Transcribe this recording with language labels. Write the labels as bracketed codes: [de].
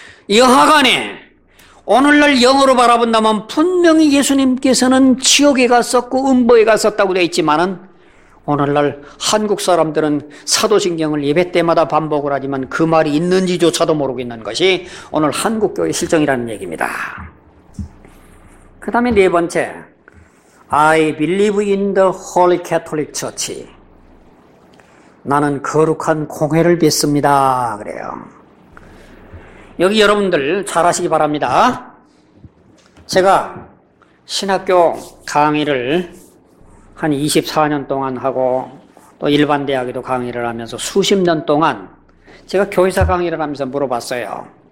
[ko] 여하간에 오늘날 영어로 바라본다면 분명히 예수님께서는 지옥에 갔었고 음부에 갔었다고 되어 있지만은 오늘날 한국 사람들은 사도신경을 예배 때마다 반복을 하지만 그 말이 있는지조차도 모르겠는 것이 오늘 한국교회 실정이라는 얘기입니다. 그 다음에 네 번째, [en] I believe in the Holy Catholic Church. [ko] 나는 거룩한 공회를 믿습니다. 그래요. 여기 여러분들 잘 아시기 바랍니다. 제가 신학교 강의를 한 24년 동안 하고 또 일반 대학에도 강의를 하면서 수십 년 동안 제가 교회사 강의를 하면서 물어봤어요.